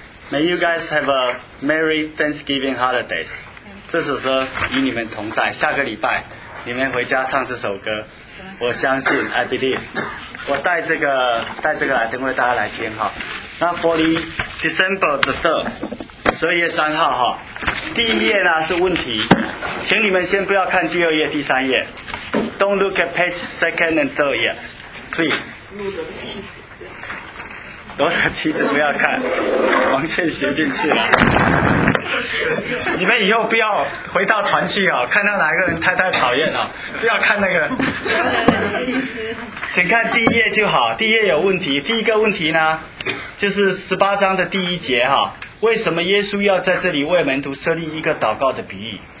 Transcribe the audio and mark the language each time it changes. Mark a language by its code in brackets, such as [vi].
[en] May you guys have a merry Thanksgiving holidays. [zh] 这首歌与你们同在，下个礼拜你们回家唱这首歌。我相信 ， [en] I believe。 [zh] 我带这个来，等会大家来听哈。 [en] 那 for the December the 3rd， [zh] 12月3号哈。第一页呢是问题，请你们先不要看第二页、第三页。 [en] Don't look at page 2nd and 3rd yet, please. [zh] 罗德妻子不要看，王倩学进去了。你们以后不要回到团契啊，看到哪个人太讨厌啊，不要看那个。请看第一页就好，第一页有问题。第一个问题呢，就是18章的第1节哈，为什么耶稣要在这里为门徒设立一个祷告的比喻？